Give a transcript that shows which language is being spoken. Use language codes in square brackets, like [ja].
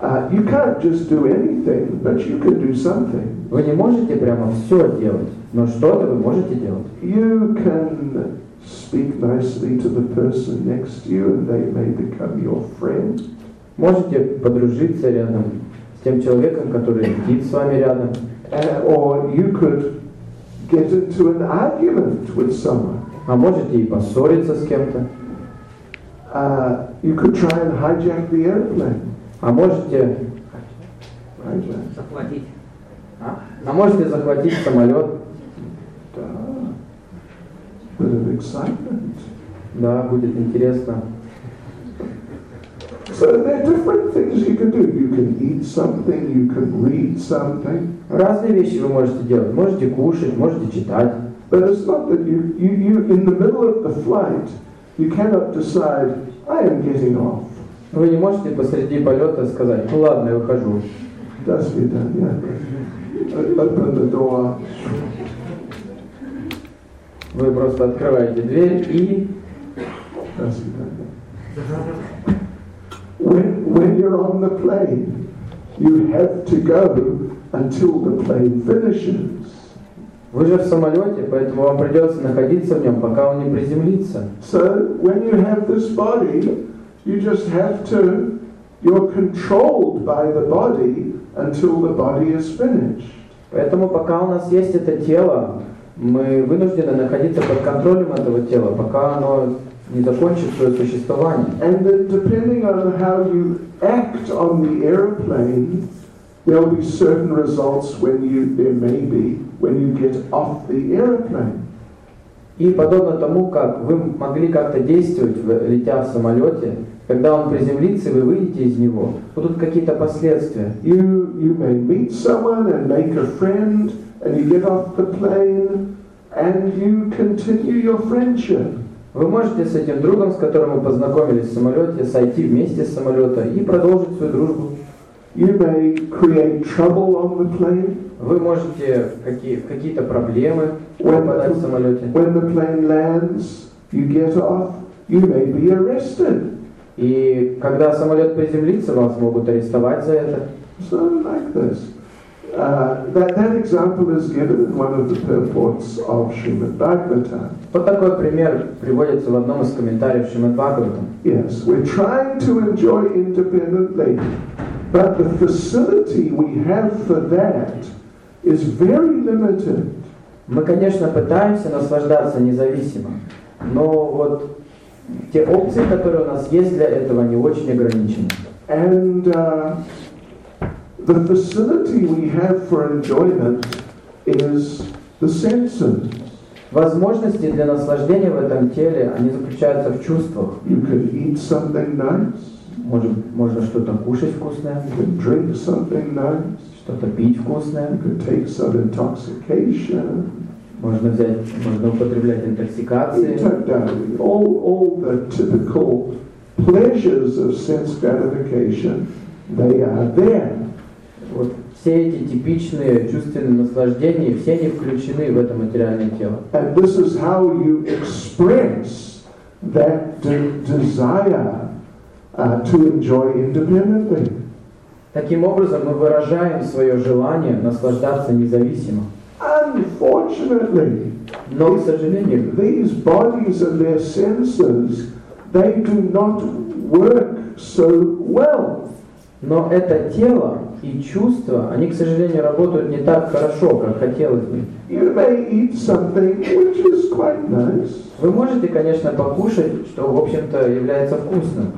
[en] You can't just do anything, but you can do something. [ru] Вы не можете прямо все делать, но что-то вы можете делать. [en] You can speak nicely to the person next to you, and they may become your friend. [ru] Можете подружиться рядом с тем человеком, который сидит с вами рядом. [en] Or you could get into an argument with someone. [ru] А можете и поссориться с кем-то. [en] You could try and hijack the airplane. [ru] А можете захватить. А можете захватить самолет. [en] Да. Bit of excitement. [ru] Да, будет интересно. [en] So there are different things you can do. You can eat something, you can read something. [ru] Разные вещи вы можете делать. Можете кушать, можете читать. [en] But it's not that you in the middle of the flight, you cannot decide, I am getting off. [ru] Вы не можете посреди полета сказать, ну ладно, я ухожу. До свидания. [en] Open the door. [ru] Вы просто открываете дверь и... До свидания. [en] When you're on the plane, you have to go until the plane finishes. [ru] Вы же в самолете, поэтому вам придется находиться в нем, пока он не приземлится. [en] So, when you have this body, you just have to, you're controlled by the body until the body is finished. [ru] Поэтому пока у нас есть это тело, мы вынуждены находиться под контролем этого тела, пока оно не закончит свое существование. [en] And then depending on how you act on the airplane, there will be certain results when you get off the airplane. [ru] И подобно тому, как вы могли как-то действовать, летя в самолете, когда он приземлится, вы выйдете из него, будут какие-то последствия. [en] You may meet someone and make a friend, and you get off the plane, and you continue your friendship. [ru] Вы можете с этим другом, с которым вы познакомились в самолете, сойти вместе с самолета и продолжить свою дружбу. [en] You may create trouble on the plane. [ru] Вы можете какие-то проблемы попадать в самолете. [en] When the plane lands, you get off, you may be arrested. [ru] И когда самолет приземлится, вас могут арестовать за это. [en] So like this. That example is given in one of the purports of Srimad Bhagavatam. [ru] Вот такой пример приводится в одном из комментариев Шримад Бхагаватам. [en] Yes, we're trying to enjoy independently, but the facility we have for that is very limited. [ru] Мы, конечно, пытаемся наслаждаться независимо, но вот те опции, которые у нас есть для этого, они очень ограничены. [en] And the facility we have for enjoyment is the senses. [ru] Возможности для наслаждения в этом теле, они заключаются в чувствах. [en] You can eat something nice. [ru] Можно что-то кушать вкусное. [en] You can drink something nice. [ru] Что-то пить вкусное. [en] You can take some intoxication. [ru] Можно употреблять интоксикации. [en] All the typical pleasures of sense gratification, they are there. [ru] Вот все эти типичные чувственные наслаждения, все они включены в это материальное тело. [en] And this is how you express that desire to enjoy independently. [ru] Таким образом, мы выражаем свое желание наслаждаться независимо. [en] Unfortunately, [ru] но, к сожалению, [en] these bodies and their senses, they do not work so well. [ru] Но это тело и чувства, они, к сожалению, работают не так хорошо, как хотелось бы. [en] You may eat something which is quite nice. [ru] Вы можете, конечно, покушать, что, в общем-то, является вкусным.